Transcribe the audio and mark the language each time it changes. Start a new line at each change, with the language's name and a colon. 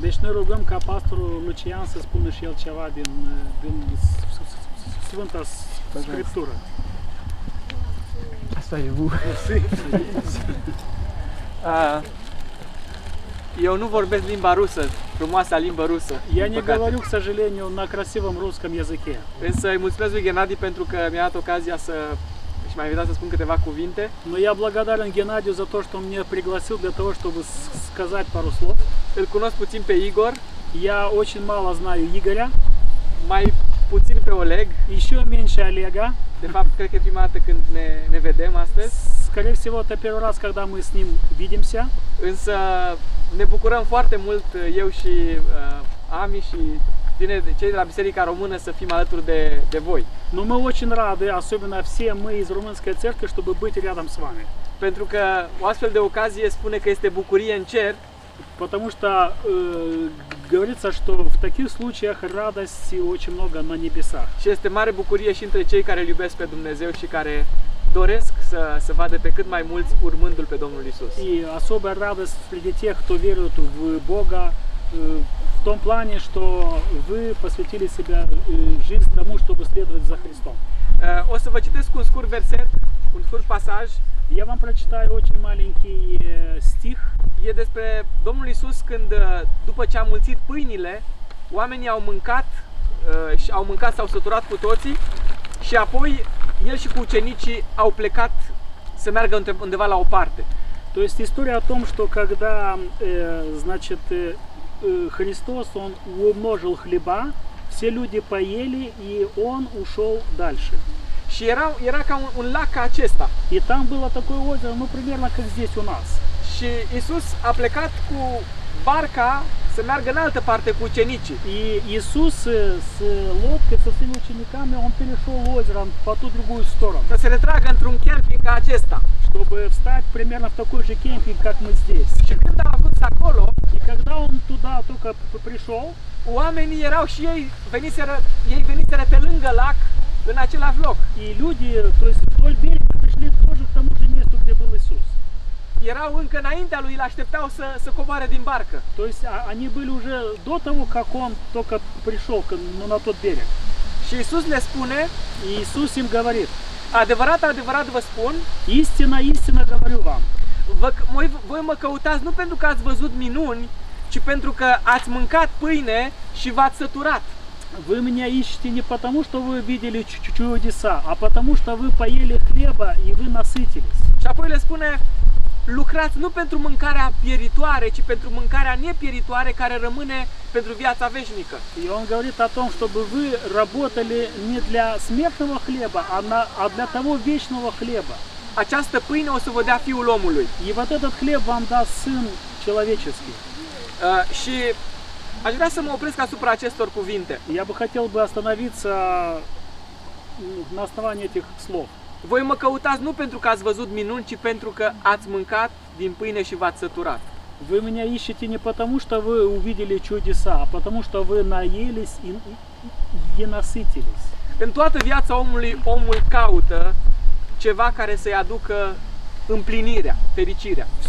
Romanian: Deci noi rugăm ca pastorul Lucian să spună și el ceva din Sfânta Scriptură. Asta e bună. Eu nu vorbesc limba rusă, frumoasa limba rusă.
Russian: Я не говорю, к сожалению, на красивом русском языке.
Romanian: Însă îi mulțumesc lui Ghenadi pentru că mi-a dat ocazia să și m-a invitat să spun câteva cuvinte.
Russian: Но я благодарен Геннадию за то, что он меня пригласил для того, чтобы сказать пару слов.
Romanian: Îl cunosc puțin pe Igor.
Russian: Я очень мало знаю Игоря.
Romanian: Mai puțin pe Oleg.
Russian: Еще меньше Олега.
Romanian: De fapt, cred că e prima dată când ne vedem astăzi.
Russian: Скорее всего, это первый раз, когда мы с ним видимся.
Romanian: Însă ne bucurăm foarte mult eu și Ami și tine, cei de la Biserica Română să fim alături de voi.
Russian: Но мы очень рады, особенно все мы из Румынской Церкви, чтобы быть рядом с вами.
Romanian: Pentru că o astfel de ocazie spune că este bucurie în cer.
Russian: Потому что говорится, что в таких случаях радости очень много на небесах.
Romanian: Și este mare bucurie și între cei care iubesc pe Dumnezeu și care doresc să vadă pe cât mai mulți urmându-L pe Domnul Iisus.
Russian: И особая радость среди тех, кто верует в Бога, в том плане, что вы посвятили себя жизнь тому, чтобы следовать за Христом.
Romanian: О să vă citesc un scurt verset, un scurt pasaj.
Russian: Я вам прочитаю очень маленький стих.
Romanian: E despre Domnul Iisus când, după ce a mulțit pâinile, oamenii au mâncat și au mâncat, s-au săturat cu toții și apoi El și cu ucenicii au plecat să meargă undeva la o parte.
Russian: То есть история о том, что когда, значит, Христос, Он умножил хлеба, все люди поели, и Он ушел дальше.
Romanian: Și era ca un lac ca acesta.
Russian: И там было такое озеро, ну, примерно, как здесь у нас.
Romanian: Și Iisus a plecat cu barca să meargă în altă parte cu ucenicii.
Russian: И Иисус с лодкой, со своими учениками, он перешел озером по ту другую сторону.
Romanian: Ca să se retragă într-un camping ca acesta.
Russian: Чтобы встать примерно в такой же кемпинг, как мы здесь.
Romanian: Și când a ajuns acolo,
Russian: и когда он туда только пришел,
Romanian: oamenii erau și ei veniseră pe lângă lac, în același loc.
Russian: И люди, то есть вдоль берега, пришли тоже к тому же месту, где был Иисус.
Romanian: Erau încă înaintea lui, îl așteptau să coboare din barcă.
Russian: То есть они были уже до того, как он только пришел на тот берег.
Romanian: Și Иисус le spune,
Russian: Иисус им говорит,
Romanian: adevărat, adevărat vă spun,
Russian: истина, истина говорю вам.
Romanian: Voi mă căutați nu pentru că ați văzut minuni, ci pentru că ați mâncat pâine și v-ați săturat.
Russian: Вы меня ищете не потому, что вы видели чудеса, а потому, что вы поели хлеба и вы насытились.
Romanian: Și apoi le spune, lucrați nu pentru mâncarea pieritoare, ci pentru mâncarea nepieritoare care rămâne pentru viața veșnică.
Russian: И он говорит о том, чтобы вы работали не для смертного хлеба, а для того вечного хлеба.
Romanian: Această pâine o să vă dea Fiul omului.
Russian: И вот этот хлеб вам даст Сын человеческий.
Romanian: Și aș vrea să mă opresc asupra acestor cuvinte.
Russian: Я бы хотел бы остановиться на основании этих слов.
Romanian: Voi mă căutați nu pentru că ați văzut minuni, ci pentru că ați mâncat din pâine și v-ați săturat.
Russian: Вы меня ищете не потому, что вы увидели чудеса, а потому, что вы наелись и насытились.
Romanian: În toată viața omului, omul caută ceva care să-i aducă împlinirea, fericirea.